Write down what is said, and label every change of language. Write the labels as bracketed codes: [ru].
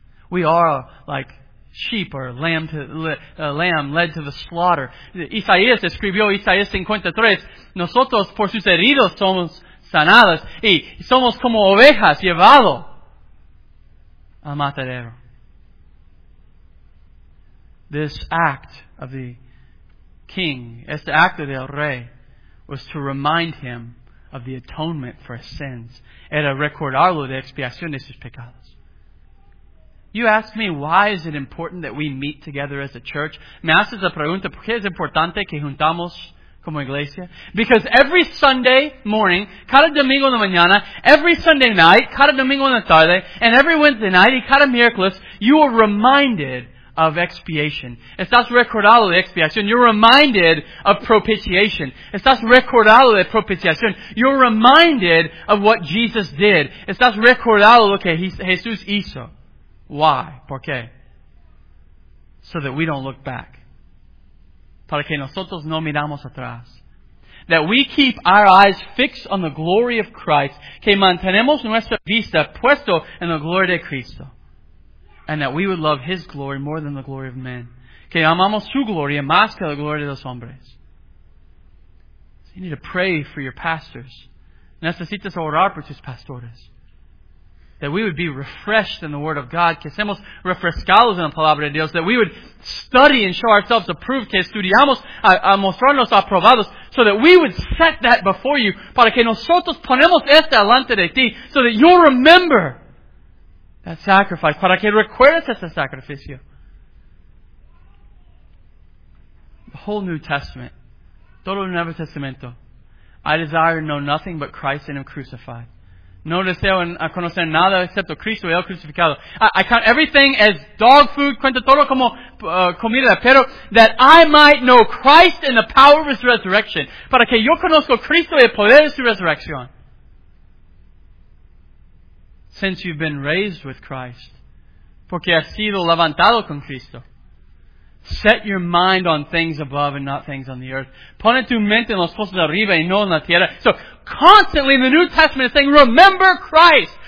[en] We are like sheep or lamb led to the slaughter. [es] Isaías escribió Isaías 53. Nosotros por sus heridos somos sanados y somos como ovejas llevado al matadero. [en] This act of the king, [es] este acto del rey, [en] was to remind him of the atonement for his sins. [es] Era recordarlo de expiación de sus pecados. [en] You ask me, why is it important that we meet together as a church? [es] Me haces la pregunta, ¿por qué es importante que juntamos como iglesia? [en] Because every Sunday morning, [es] cada domingo en la mañana, [en] every Sunday night, [es] cada domingo en la tarde, [en] and every Wednesday night, [es] y cada miércoles, [en] you are reminded of expiation. [es] Estás recordado de expiación. [en] You're reminded of propitiation. [es] Estás recordado de propiciación. [en] You're reminded of what Jesus did. [es] Estás recordado lo que Jesús hizo. [en] Why? [es] ¿Por qué? [en] So that we don't look back. [es] Para que nosotros no miramos atrás. [en] That we keep our eyes fixed on the glory of Christ. [es] Que mantenemos nuestra vista puesto en la gloria de Cristo. [en] And that we would love His glory more than the glory of men. [es] Que amamos su gloria más que la gloria de los hombres. [en] So you need to pray for your pastors. [es] Necesitas orar por tus pastores. [en] That we would be refreshed in the Word of God. [es] Que seamos refrescados en la Palabra de Dios. [en] That we would study and show ourselves approved. [es] Que estudiamos a mostrarnos aprobados. [en] So that we would set that before you. [es] Para que nosotros ponemos esto delante de ti. [en] So that you'll remember that sacrifice, [es] para que recuerdes ese sacrificio. [en] The whole New Testament, [es] todo el Nuevo Testamento, [en] I desire to know nothing but Christ and Him crucified. [es] No deseo conocer nada excepto Cristo y el crucificado. [en] I count everything as dog food, [es] cuento todo como comida, pero [en] that I might know Christ and the power of His resurrection, [es] para que yo conozco Cristo y el poder de su resurrección. [en] Since you've been raised with Christ, [es] porque has sido levantado con Cristo, [en] set your mind on things above and not things on the earth. [es] Pon tu mente en las cosas de arriba y no en la tierra. [en] So, constantly in the New Testament is saying, remember Christ.